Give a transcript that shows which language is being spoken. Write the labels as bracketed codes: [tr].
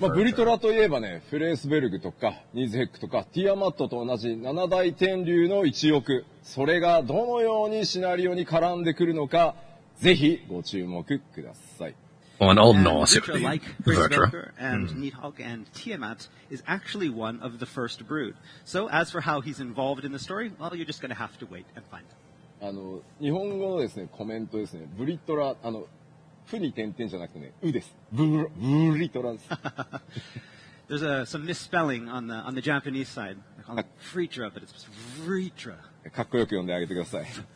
[ja] まあ、ブリトラといえばね、フレースベルグとか、ニーズヘックとか、ティアマットと同じ七大天竜の一翼。それがどのようにシナリオに絡んでくるのか、ぜひご注目ください。 [en] Well, in Old Norse, it would be like Virtra. And Nidhogg and Tiamat is actually one of the first brood. So as for how he's involved in the story, well, you're just going to have to wait and find out. [ja] 日本語のですね、コメントですね、ブリトラ、フに点々じゃなくてね、ウです。ブリトラです。 [en] There's some misspelling on the Japanese side. I call it Vritra, but it's Vritra. [ja] かっこよく読んであげてください。